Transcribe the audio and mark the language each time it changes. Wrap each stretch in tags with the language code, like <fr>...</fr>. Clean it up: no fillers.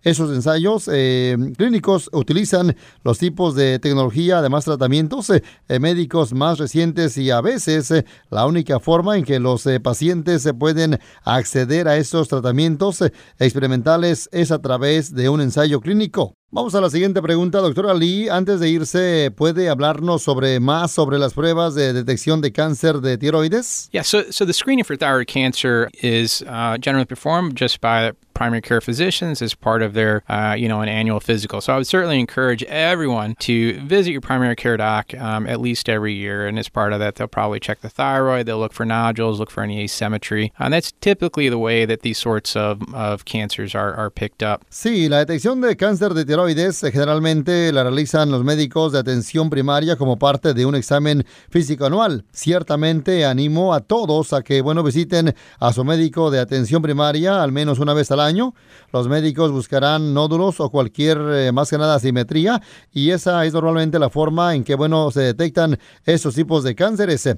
<es>Esos ensayos clínicos utilizan los tipos de tecnología, además tratamientos médicos más recientes y a veces la única forma en que los pacientes pueden acceder a esos tratamientos experimentales es a través de un ensayo clínico. Vamos a la siguiente pregunta, doctora Lee. Antes de irse, ¿puede hablarnos sobre más sobre las pruebas de detección de cáncer de tiroides?</es> <en>Yeah, so the screening for thyroid cancer is generally performed just by primary care physicians as part of their, an annual physical. So I would certainly encourage everyone to visit your primary care doc at least every year. And as part of that, they'll probably check the thyroid, they'll look for nodules, look for any asymmetry. And that's typically the way that these sorts of cancers are picked up.</en> <es>Sí, la detección de cáncer de tiroides generalmente la realizan los médicos de atención primaria como parte de un examen físico anual. Ciertamente animo a todos a que, bueno, visiten a su médico de atención primaria al menos una vez al año. Los médicos buscarán nódulos o cualquier más que nada asimetría y esa es normalmente la forma en que, bueno, se detectan estos tipos de cánceres.</es>